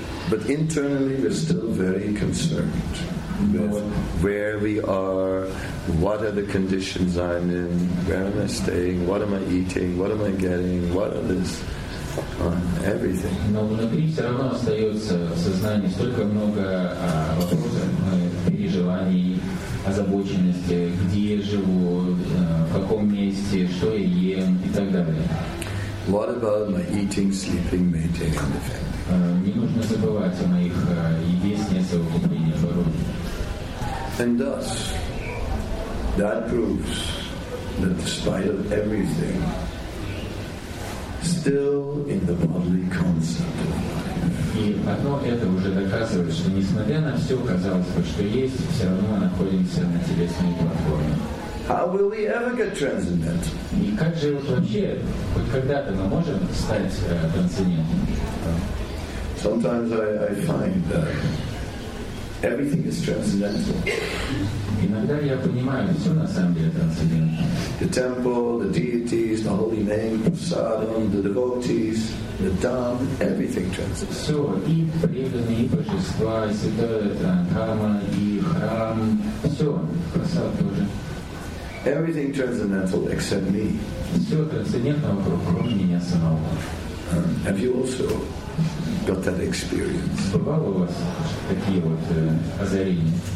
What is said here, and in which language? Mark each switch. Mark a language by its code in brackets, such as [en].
[en] But internally we're still very concerned with where we are, what are the conditions I'm in, where am I staying, what am I eating, what am I getting, what are this. Everything. [ru] Но внутри все равно остается в сознании столько много вопросов, переживаний, озабоченности, где я живу, в каком месте, что я ем и так далее. [en] What about my eating, sleeping, maintaining? [ru] Не нужно забывать о моих еде, сне, совокуплении, обороне. [en] And thus, that proves that despite of everything, still in the bodily concept of life. [ru] И одно это уже доказывает, что несмотря на все, казалось бы, что есть, все равно мы находимся на телесной платформе. [en] How will we ever get transcendent? [ru] И как же вот вообще, хоть когда-то мы можем стать трансцендентными? [en] Sometimes I find that everything is transcendental. [ru] Иногда я понимаю, все на самом деле трансцендентно. [en] The temple, the deities, the holy name, prasadam, the devotees, the dham, everything transcends. [ru] Все, и преданные, и божества, и святое, дхарма, и храм, все, прасад тоже. [en] Everything transcendental except me. [ru] Все трансцендентно вокруг, кроме меня самого. [en] Have you also got that experience? [ru] Бывало у вас такие вот озарения?